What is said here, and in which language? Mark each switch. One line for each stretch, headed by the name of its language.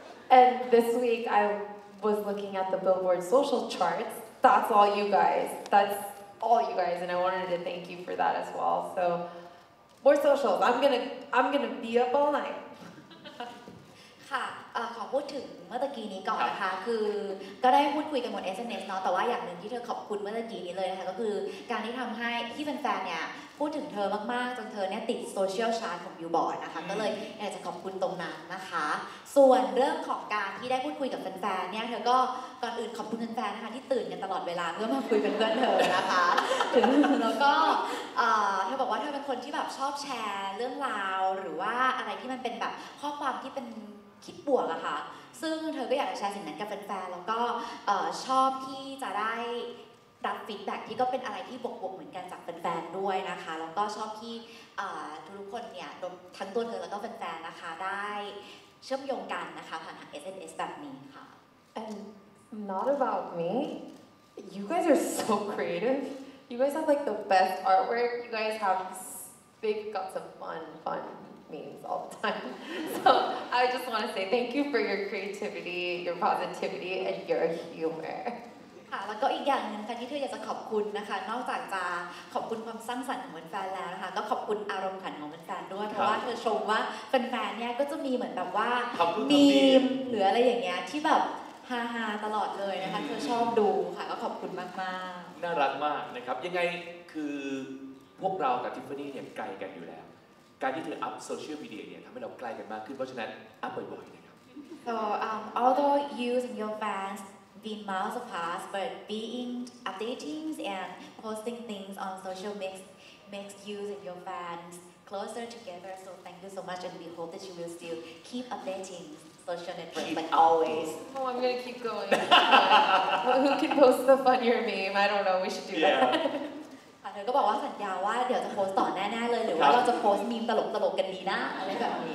English: And this week I was looking at the Billboard social charts. That's all you guys. That's all you guys, and I wanted to thank you for that as well. So, more socials. I'm gonna be up all night. Ha.
Thai: ขอพูดถึงเมื่อตะกี้นี้ก่อนนะคะคือก็ได้พูดคุยกันบน SNS เนาะแต่ว่าอย่างนึงที่เธอขอบคุณเมื่อตะกี้นี้เลยนะคะก็คือการที่ทำให้ที่แฟนๆเนี่ยพูดถึงเธอมากๆจนเธอเนี่ยติดโซเชียลชาร์ตของบิลบอร์ดนะคะก็เลยอยากจะขอบคุณตรงนั้นนะคะส่วนเรื่องของการที่ได้พูดคุยกับแฟนๆเนี่ยเธอก็ก่อนอื่นขอบคุณแฟนๆนะคะที่ตื่นกันตลอดเวลาเพื่อมาคุยกับเพื่อนเธอนะคะถึงแล้วก็ เธอบอกว่าเธอเป็นคนที่แบบชอบแชร์เรื่องราวหรือว่าอะไรที่มันเป็นแบบข้อความที่เป็นคิดบวกอะค่ะซึ่งเธอก็อยากจะแชร์สิ่งนั้นกับแฟนๆแล้วก็ชอบที่จะได้รับฟีดแบคที่ก็เป็นอะไรที่บวกๆเหมือนกันจากแฟนๆด้วยนะคะแล้วก็ชอบที่ทุกคนเนี่ยทั้งตัวเธอแล้วก็แฟนๆนะคะได้เชื่อมโยงกันนะคะผ่านทาง SNS แบบนี้ค่ะ
English: And not about me you guys are so creative you guys have like the best artwork you guys have they've got some fun memes all the time so I just want to say thank you for your creativity your positivity and your humor
Thai: ค่ะแล้วก็อีกอย่างนึงค่ะที่เธออยากจะขอบคุณนะคะนอกจากจะขอบคุณความสร้างสรรค์ของแฟนแล้วนะคะก็ขอบคุณอารมณ์ขันของแฟนด้วยเพราะว่าเธอชมว่าแฟนๆเนี่ยก็จะมีเหมือนแบบว่ามี มหรืออะไรอย่างเงี้ยที่แบบฮาฮาตลอดเลยนะคะเธอชอบดูค่ะก็ขอบคุณมากมาก น่ารักมากนะครับยังไงคือพวกเรากับทิฟฟานี่เนี่ยไกลกันอยู่แล้วการที่เธออัพโซเชียลมีเดียเนี่ยทำให้เราใกล้กันมากขึ้นเพราะฉะนั้นอัพบ่อยๆนะครับ
English: So although you and your fans be miles apart but being updating and posting things on social makes you and your fans closer together so thank you so much and we hope that you will still keep updating social network like always Oh I'm gonna keep going Who can post the funnier meme I don't know we should do that
Thai: เธอก็บอกว่าสัญญาว่าเดี๋ยวจะโพสต์ต่อแน่ๆเลยหรือว่าเราจะโพสต์มีมตลกๆกันดีนะอะไรแบบนี